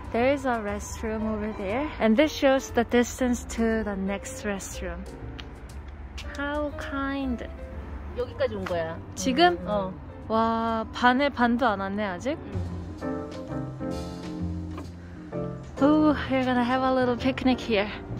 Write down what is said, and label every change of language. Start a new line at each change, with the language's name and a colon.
English: There is a restroom over there, and this shows the distance to the next restroom. How kind.
Korean: 여기까지 온 거야. 지금? 어. 와 반에 반도 안 왔네 아직.
English: Ooh, we're gonna have a little picnic here.